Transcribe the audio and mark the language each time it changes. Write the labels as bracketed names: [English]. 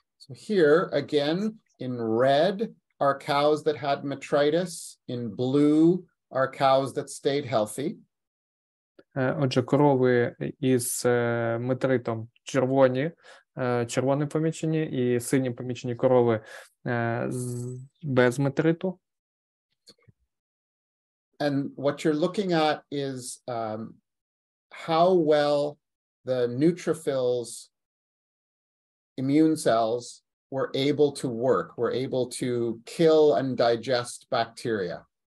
[English] So here again in red are cows that had metritis, in blue are cows that stayed healthy. [Ukrainian] Отже, корови із метритом червоні, червоні помічені, і сині помічені корови без метриту. [English] And what you're looking at is how well the neutrophils, immune cells, were able to work, were able to kill and digest bacteria.